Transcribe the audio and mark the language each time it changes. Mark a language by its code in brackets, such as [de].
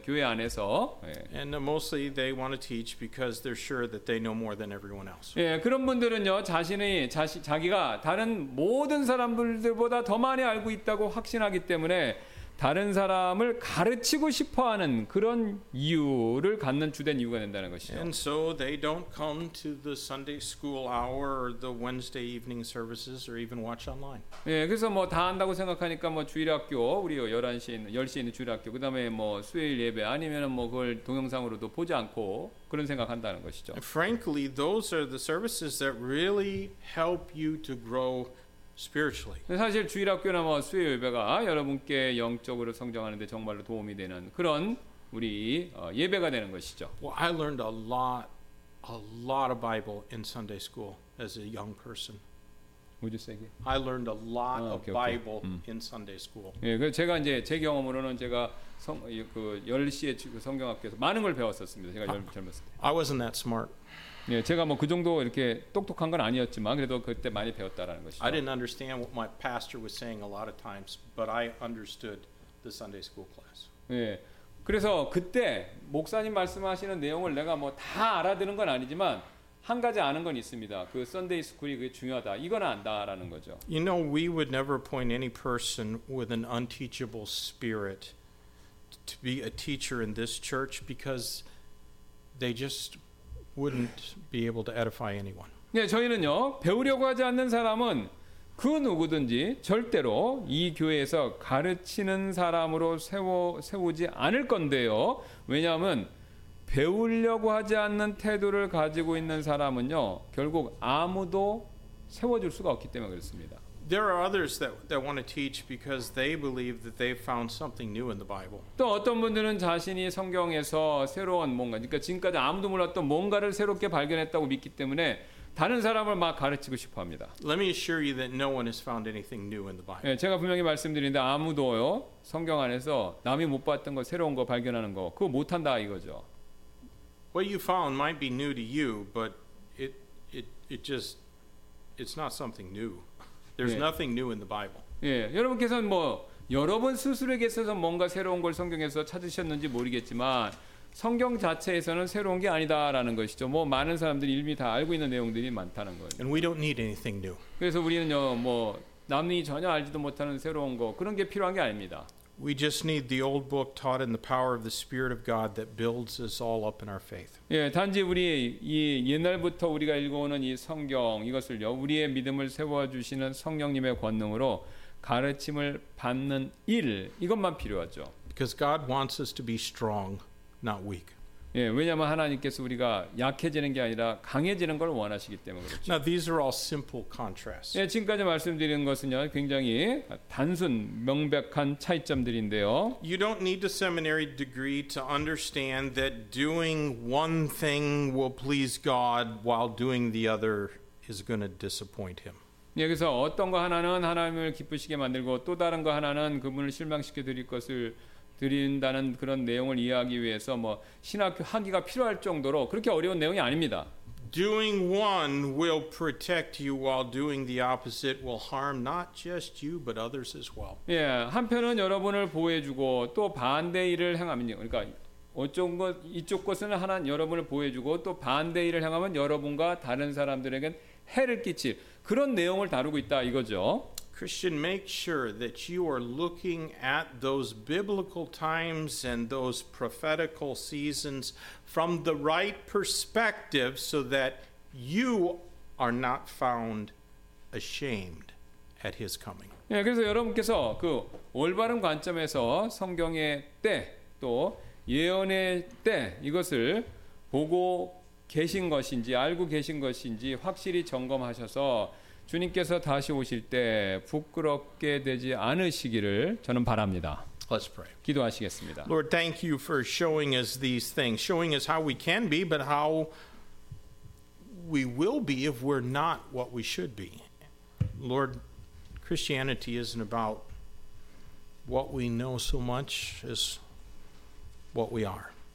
[ko] 교회 안에서. 예. [en] And mostly they want to teach because they're sure that they know more than everyone else. [ko] 예, 그런 분들은요 자기가 다른 모든 사람들보다 더 많이 알고 있다고 확신하기 때문에 다른 사람을 가르치고 싶어하는 그런 이유를 갖는 주된 이유가 된다는 것이죠. [en] And so they don't come to the Sunday school hour or the Wednesday evening services or even watch online. [ko] 예, 그래서 뭐 다 한다고 생각하니까 뭐 주일학교 우리 10시에 있는 주일학교 그다음에 뭐 수요일 예배 아니면은 뭐 그걸 동영상으로도 보지 않고 그런 생각한다는 것이죠. [en] And frankly, those are the services that really help you to grow. Spiritually. [ko] 사실 주일학교나 뭐 수요일 예배가 여러분께 영적으로 성장하는데 정말로 도움이 되는 그런 우리 예배가 되는 것이죠. [en] Well, I learned a lot of Bible in Sunday school as a young person. Would you say again? I learned a lot of Bible in Sunday school. [ko] 예, 그 제가 이제 제 경험으로는 제가 그 10시에 성경학교에서 많은 걸 배웠었습니다. 제가 젊었을 때. [en] I wasn't that smart. [ko] 예, 제가 뭐 그 정도 이렇게 똑똑한 건 아니었지만 그래도 그때 많이 배웠다라는 것이죠. [en] I didn't understand what my pastor was saying a lot of times, but I understood the Sunday school class. [ko] 예, 그래서 그때 목사님 말씀하시는 내용을 내가 뭐 다 알아들은 건 아니지만 한 가지 아는 건 있습니다. 그 Sunday school이 그게 중요하다. 이건 안다라는 거죠. [en] You know, we would never appoint any person with an unteachable spirit to be a teacher in this church because they just wouldn't be able to edify anyone. [ko] 네, 저희는요 배우려고 하지 않는 사람은 그 누구든지 절대로 이 교회에서 가르치는 사람으로 세우지 않을 건데요. 왜냐하면 배우려고 하지 않는 태도를 가지고 있는 사람은요, 결국 아무도 세워줄 수가 없기 때문에 그렇습니다. [en] There are others that want to teach because they believe that they've found something new in the Bible. [ko] 또 어떤 분들은 자신이 성경에서 새로운 뭔가, 그러니까 지금까지 아무도 몰랐던 뭔가를 새롭게 발견했다고 믿기 때문에 다른 사람을 막 가르치고 싶어 합니다. [en] Let me assure you that no one has found anything new in the Bible. [ko] 예, 제가 분명히 말씀드리는데 아무도요, 성경 안에서 남이 못 봤던 거, 새로운 거 발견하는 거, 그거 못 한다 이거죠. [en] What you found might be new to you, but it just it's not something new. There's 예. nothing new in the Bible. [ko] 예, 여러분께서는 뭐 여러분 스스로에게 있어서 뭔가 새로운 걸 성경에서 찾으셨는지 모르겠지만 성경 자체에서는 새로운 게 아니다라는 것이죠. 뭐 많은 사람들이 이미 다 알고 있는 내용들이 많다는 거예요. [en] And we don't need anything new. [ko] 그래서 우리는요, 뭐 남이 전혀 알지도 못하는 새로운 거 그런 게 필요한 게 아닙니다. [en] We just need the old book taught in the power of the Spirit of God that builds us all up in our faith. [ko] 예, 단지 우리 이 옛날부터 우리가 읽어오는 이 성경 이것을요, 우리의 믿음을 세워주시는 성령님의 권능으로 가르침을 받는 일 이것만 필요하죠. [en] Because God wants us to be strong. Not weak. [ko] 예, 왜냐하면 하나님께서 우리가 약해지는 게 아니라 강해지는 걸 원하시기 때문에 그렇죠. [en] Now these are all simple contrasts. [ko] 예, 지금까지 말씀드리는 것은요 굉장히 단순 명백한 차이점들인데요. [en] You don't need a seminary degree to understand that doing one thing will please God while doing the other is going to disappoint Him. [ko] 여기서 어떤 거 하나는 하나님을 기쁘시게 만들고 또 다른 거 하나는 그분을 실망시켜 드릴 것을 드린다는 그런 내용을 이해하기 위해서 뭐 신학교 학위가 필요할 정도로 그렇게 어려운 내용이 아닙니다. [en] Doing one will protect you while doing the opposite will harm not just you but others as well. [ko] 예, 한편은 여러분을 보호해주고 또 반대 일을 행하면요. 그러니까 어쩐 것 이쪽 것은 하나 여러분을 보호해주고 또 반대 일을 행하면 여러분과 다른 사람들에게 해를 끼칠 그런 내용을 다루고 있다 이거죠. [en] Christian, make sure that you are looking at those biblical times and those prophetical seasons from the right perspective so that you are not found ashamed at his coming. [ko] 예, 그래서 여러분께서 그 올바른 관점에서 성경의 때 또 예언의 때 이것을 보고 계신 것인지 알고 계신 것인지 확실히 점검하셔서 주님께서 다시 오실 때 부끄럽게 되지 않으시기를 저는 바랍니다. [en] Let's pray. [ko] 기도하시겠습니다. [en] Lord, thank you for showing us these things, showing us how we can be, but how we will be if we're not what we should be. Lord, Christianity isn't about what we know so much as what we are.